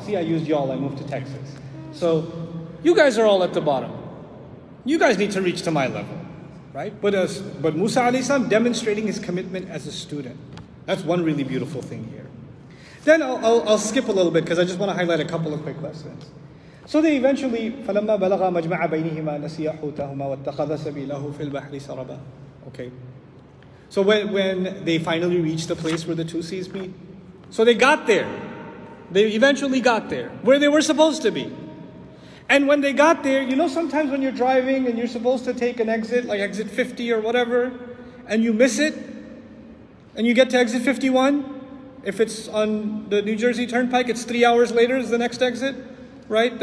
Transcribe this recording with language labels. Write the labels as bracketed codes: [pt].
[en] See, I used y'all, I moved to Texas. So, you guys are all at the bottom. You guys need to reach to my level, right? But Musa alayhi salam demonstrating his commitment as a student. That's one really beautiful thing here. Then I'll skip a little bit because I just want to highlight a couple of quick lessons. So they eventually, [ar] فَلَمَّا بَلَغَ مَجْمَعَ بَيْنِهِمَا نَسِيَ حُوتَهُمَا وَاتَّخَذَ سَبِيلَهُ فِي الْبَحْرِ سَرَبًا. [en] Okay. So when they finally reached the place where the two seas meet. So they got there. They eventually got there. Where they were supposed to be. And when they got there, you know sometimes when you're driving and you're supposed to take an exit, like exit 50 or whatever, and you miss it, and you get to exit 51, if it's on the New Jersey Turnpike, it's 3 hours later is the next exit, right?